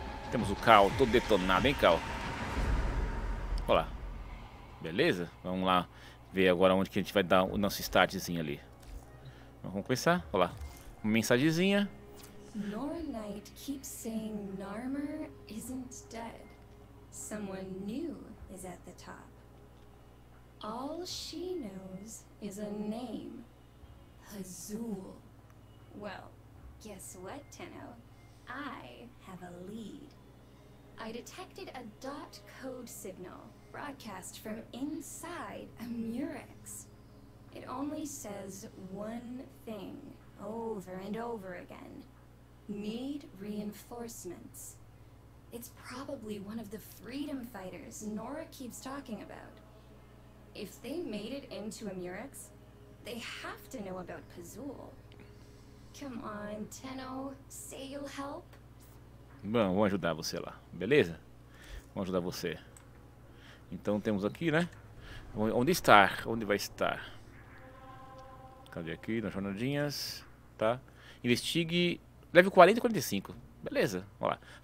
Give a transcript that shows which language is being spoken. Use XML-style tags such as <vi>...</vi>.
<pt>Temos o Carl todo detonado, hein, Carl? Olha lá. Beleza? Vamos lá ver agora onde que a gente vai dar o nosso startzinho ali. Vamos começar. Olha lá. Uma mensagenzinha.</pt> <en>Nor Knight keeps saying Narmer isn't dead. Someone new is at the top. All she knows is a name. Hazul. Well, guess what, Tenno? I have a lead. I detected a dot code signal broadcast from inside a Murex. It only says one thing over and over again. Need reinforcements. It's probably one of the freedom fighters Nora keeps talking about. If they made it into a Murex, they have to know about Pazul. Come on, Tenno, say you'll help.</en> <pt>Bom, vamos ajudar você lá, beleza? Vamos ajudar você. Então temos aqui, né? Onde está? Onde vai estar? Cadê aqui? Nas jornadinhas, tá? Investigue. Level 40 e 45. Beleza, olha lá.</pt>